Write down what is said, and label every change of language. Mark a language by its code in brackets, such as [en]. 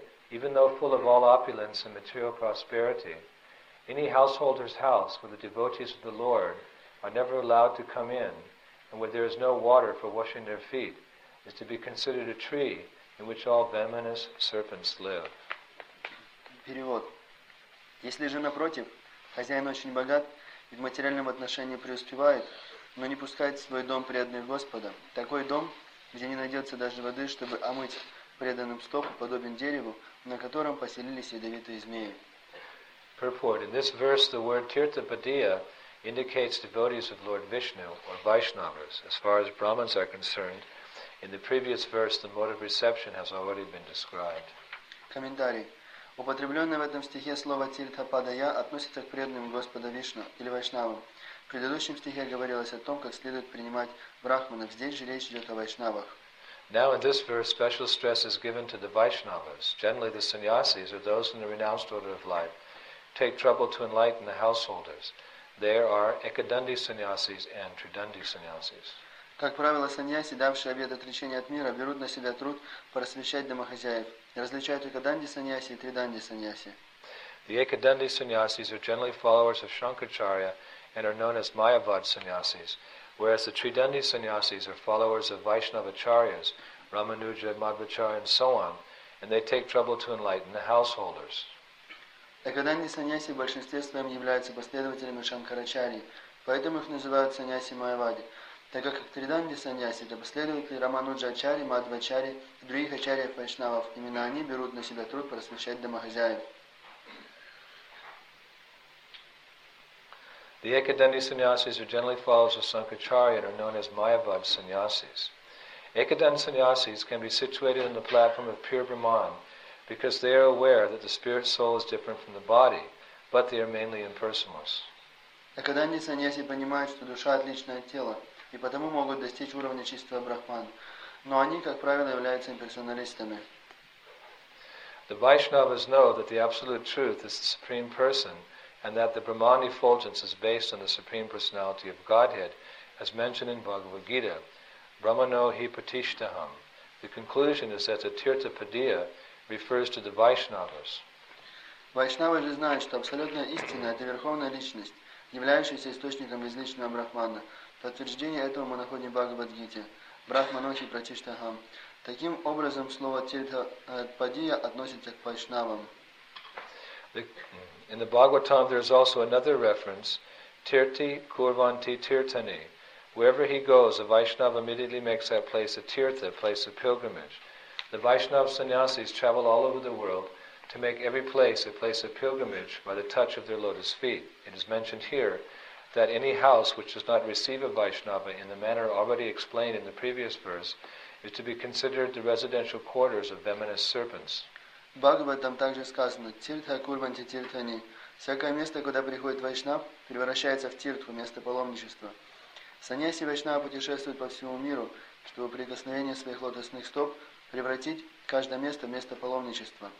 [en] Even though full of all opulence and material prosperity, any householder's house where the devotees of the Lord are never allowed to come in, and where there is no water for washing their feet, is to be considered a tree in which all venomous serpents live. [ru] Перевод. Если же, напротив, хозяин очень богат и в материальном отношении преуспевает, но не пускает в свой дом преданных Господа, такой дом, где не найдется даже воды, чтобы омыть преданным стопу, подобен дереву, на котором поселились ядовитые змеи. [en] Purport. In this verse, the word Tirthapadiya indicates devotees of Lord Vishnu, or Vaishnavas. As far as Brahmins are concerned, in the previous verse, the mode of reception has already been described. [ru] Комментарий. Употребленное в этом стихе слово «тиртхападая» относится к преданным Господа Вишну или Вайшнавам. В предыдущем стихе говорилось о том, как следует принимать брахманов. Здесь же речь идет о вайшнавах. [en] Now in this verse, special stress is given to the Vaishnavas. Generally, the sannyasis, or those in the renounced order of life, take trouble to enlighten the householders. There are Ekadandi sannyasis and Tridandi sannyasis. [ru] Как правило, саньяси, давшие обет отречения от мира, берут на себя труд просвещать домохозяев. Различают Экаданди саньяси и Триданди саньяси. [en] The Ekadandi sannyasis are generally followers of Shankaracharya and are known as Mayavad sannyasis, whereas the Tridandi sannyasis are followers of Vaishnavacharyas, Ramanuja, Madhvacharya, and so on, and they take trouble to enlighten the householders. [ru] Экаданди саньяси в большинстве своем являются последователями Шанкарачарьи, поэтому их называют саньяси Майавади. Так как Триданди саньяси это последователи Рамануджа-ачари, Мадва-ачари и других ачарьев вайшнавов, именно они берут на себя труд просвещать домохозяев. [en] The Ekadandi sannyasis are generally followers of Shankaracharya and are known as Mayavad sannyasis. Ekadandi sannyasis can be situated on the platform of pure Brahman because they are aware that the spirit soul is different from the body, but they are mainly impersonalists. [ru] Ekadandi sannyasi понимают, что душа отлична от тела, и потому могут достичь уровня чистого Брахман, но они, как правило, являются имперсоналистами. [en] The Vaishnavas know that the absolute truth is the supreme person, and that the Brahman effulgence is based on the Supreme Personality of Godhead, as mentioned in Bhagavad Gita, [sa] Brahmano hi pratishtaham. [en] The conclusion is that the Tirthapadiya refers to the Vaishnavas. [ru] Vaishnavas же знают, что абсолютная истина – это Верховная Личность, являющаяся источником безличного Брахмана. Подтверждение этого мы находим в Бхагавад Гите. [sa] Брахмано хи пратишьтахам. [ru] Таким образом, слово Тирхападия относится к вайшнавам. [en] In the Bhagavatam there is also another reference, [sa] Tirthi Kurvanti Tirthani. [en] Wherever he goes, a Vaishnava immediately makes that place a Tirtha, a place of pilgrimage. The Vaishnava sannyasis travel all over the world to make every place a place of pilgrimage by the touch of their lotus feet. It is mentioned here that any house which does not receive a Vaishnava in the manner already explained in the previous verse is to be considered the residential quarters of venomous serpents. [ru] В Бхагаватам также сказано [sa] «Тиртха курванти тиртхани». [ru] Всякое место, куда приходит вайшнав, превращается в тиртху, место паломничества. Саньяси вайшнава путешествуют по всему миру, чтобы прикосновение своих лотосных стоп превратить каждое место в место паломничества.